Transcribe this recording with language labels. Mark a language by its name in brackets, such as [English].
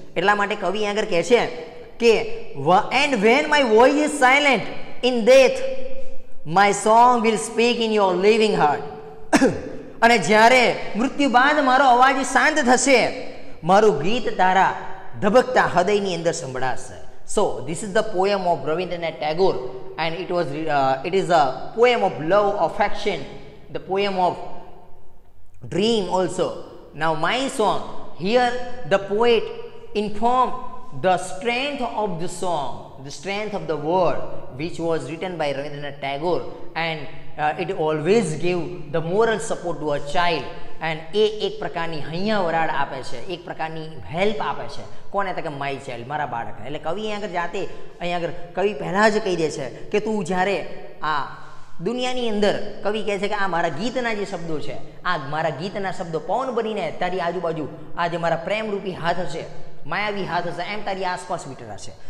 [Gujarati] એટલા માટે કવિ અહીંયા આગળ કહે છે કે [English] and when my voice is silent in death, my song will speak in your living heart, [Gujarati] અને જ્યારે મૃત્યુ બાદ મારો અવાજ શાંત થશે મારું ગીત તારા ધબકતા હૃદયની અંદર સંભળાશે. [English] So this is the poem of Rabindranath Tagore and it is a poem of love, affection, the poem of dream also. Now my song, here the poet inform the strength of the song, the strength of the word, which was written by Rabindranath Tagore, and it always gave the moral support to a child. And [Gujarati] એ એક પ્રકારની અહીંયા વરાળ આપે છે, એક પ્રકારની help આપે છે. કોને? તો કે [English] my child, [Gujarati] મારા બાળક. એટલે કવિ અહીંયા આગળ જાતે અહીંયા આગળ કવિ પહેલાં જ કહી દે છે કે તું જ્યારે આ દુનિયાની અંદર, કવિ કહે છે કે આ મારા ગીતના જે શબ્દો છે, આ મારા ગીતના શબ્દો પવન બનીને તારી આજુબાજુ, આ જે મારા પ્રેમરૂપી હાથ હશે, માયાવી હાથ હશે, એમ તારી આસપાસ વિટરા છે.